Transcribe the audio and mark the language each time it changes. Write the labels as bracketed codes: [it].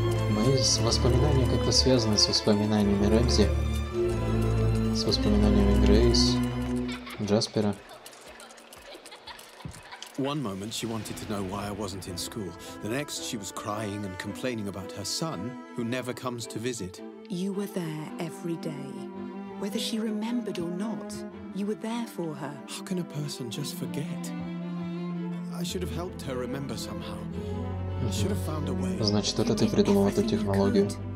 [ru] Мои воспоминания как-то связаны с воспоминаниями Рэмзи, с воспоминаниями Грейс, Джаспера. [en] One moment she wanted to know why I wasn't in school. The next she was crying and complaining about her son, who never comes to visit. You were there every day. Whether she remembered or not, you were there for her. How can a person just forget? I should have helped her remember somehow. I should have found a way. [ru] Значит, это ты придумал эту технологию.